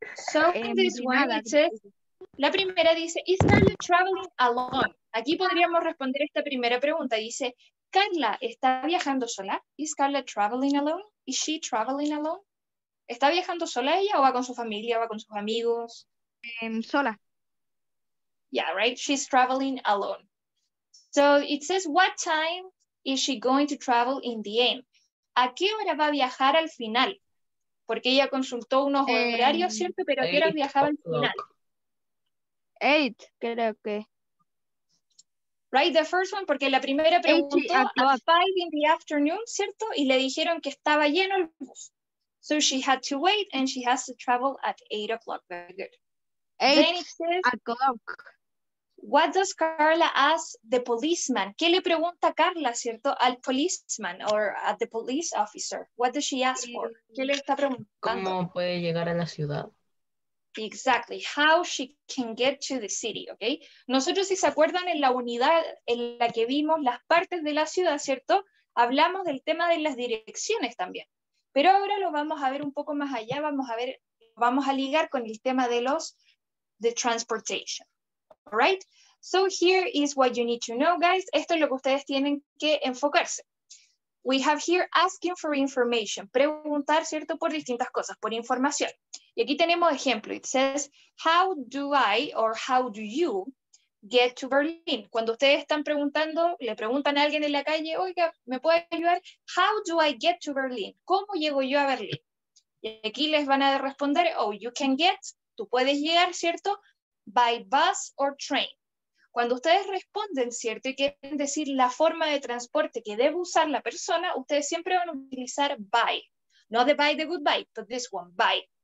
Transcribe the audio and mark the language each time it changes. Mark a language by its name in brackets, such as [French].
[English] So in this one, it says, [Spanish] la primera dice, [English] is Carla traveling alone? [Spanish] Aquí podríamos responder esta primera pregunta. Dice, ¿Carla está viajando sola? [English] Is Carla traveling alone? Is she traveling alone? [Spanish] ¿Está viajando sola ella o va con su familia, va con sus amigos? Sola. [English] Yeah, right? She's traveling alone. So it says, what time is she going to travel in the end? [Spanish] ¿A qué hora va a viajar al final? Porque ella consultó unos horarios, ¿cierto? Pero ¿a qué hora viajaba al final? 8, creo que. [English] Right, the first one, [Spanish] porque la primera preguntó [English] at 5 in the afternoon, [Spanish] ¿cierto? Y le dijeron que estaba lleno el bus. [English] So she had to wait and she has to travel at 8 o'clock. Very good. 8 o'clock. What does Carla ask the policeman? [Spanish] ¿Qué le pregunta Carla, cierto, al [English] policeman or at the police officer? What does she ask for? [Spanish] ¿Qué le está preguntando? ¿Cómo puede llegar a la ciudad? [English] Exactly. How she can get to the city, okay? [Spanish] Nosotros, si se acuerdan, en la unidad en la que vimos las partes de la ciudad, cierto, hablamos del tema de las direcciones también. Pero ahora lo vamos a ver un poco más allá, vamos a ligar con el tema de [English] the transportation. All right, so here is what you need to know, guys. [Spanish] Esto es lo que ustedes tienen que enfocarse. [English] We have here asking for information. [Spanish] Preguntar, ¿cierto? Por distintas cosas, por información. Y aquí tenemos ejemplo. [English] It says, how do I or how do you get to Berlin? [Spanish] Cuando ustedes están preguntando, le preguntan a alguien en la calle, oiga, ¿me puede ayudar? [English] How do I get to Berlin? [Spanish] ¿Cómo llego yo a Berlín? Y aquí les van a responder, [English] oh, you can get, [Spanish] tú puedes llegar, ¿cierto? [English] By bus or train. [Spanish] Cuando ustedes responden, ¿cierto? Y quieren decir la forma de transporte que debe usar la persona, ustedes siempre van a utilizar by. [English] Not the by, the goodbye, but this one, by.